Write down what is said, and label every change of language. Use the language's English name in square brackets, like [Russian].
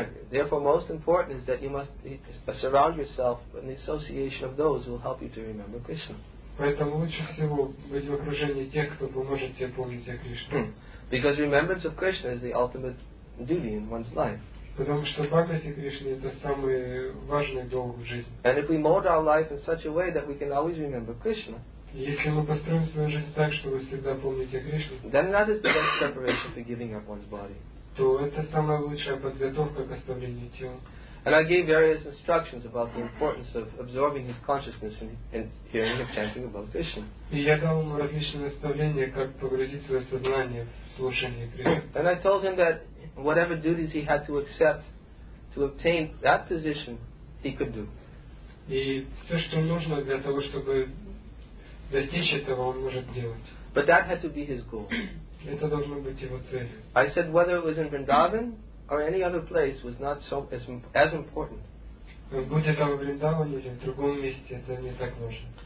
[English] Therefore, most important is that you must surround yourself with the association of those who will help you to remember Krishna. [Russian] Поэтому лучше всего быть в окружении тех, кто поможет тебе помнить о Кришне. [English] Because remembrance of Krishna is the ultimate duty in one's life. [Russian] Потому что памяти Кришне это самый важный долг в жизни. [English] And if we mold our life in such a way that we can always remember Krishna. [Russian] Если мы построим свою жизнь так, что вы всегда помните Кришну, [English] then that is the best preparation for giving up one's body. [Russian] То это самая лучшая подготовка к оставлению тела. [English] And I gave various instructions about the importance of absorbing his consciousness and hearing and chanting about Krishna. [Russian] И я дал ему различные наставления, как погрузить свое сознание в слушание Кришны. [English] And I told him that whatever duties he had to accept to obtain that position, he could do. [Russian] И все, что нужно для того, чтобы достичь этого, он может делать. [English] But that had to be his goal. [Russian] Это должно быть его целью. [English] I said whether it was in Vrindavan or any other place was not so as important. [Russian] Будь это в Вриндаване или в другом месте, это не так важно.